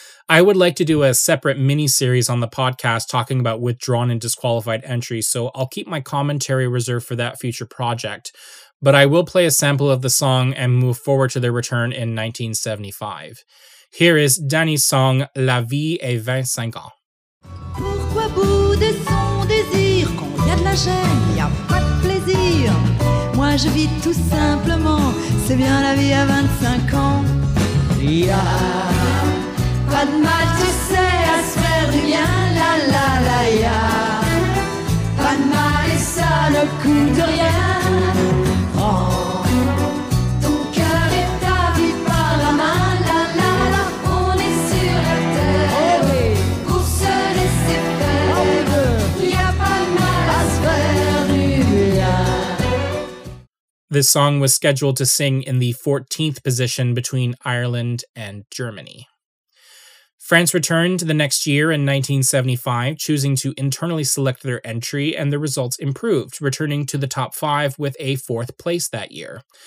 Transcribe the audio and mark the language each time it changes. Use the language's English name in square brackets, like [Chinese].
[English] I would like to do a separate mini-series on the podcast talking about withdrawn and disqualified entries, so I'll keep my commentary reserved for that future project, but I will play a sample of the song and move forward to their return in 1975. Here is Danny's song, La vie est 25 ans. [French] Pourquoi bouder son désir quand y a de la gêne, y a pas de plaisir. Moi je vis tout simplement, c'est bien la vie à 25 ans. Yeah. Pas de mal, tu sais, à se faire du bien, la la la ya. Pas de mal et ça ne coûte rien. Oh, ton cœur est ta vie par la main, la la la. On est sur la terre, oh oui. Pour se laisser faire, oh oui. Y a pas de mal à se faire du bien. [English] This song was scheduled to sing in the 14th position between Ireland and Germany. France returned the next year in 1975, choosing to internally select their entry, and the results improved, returning to the top 5 with a 4th place that year.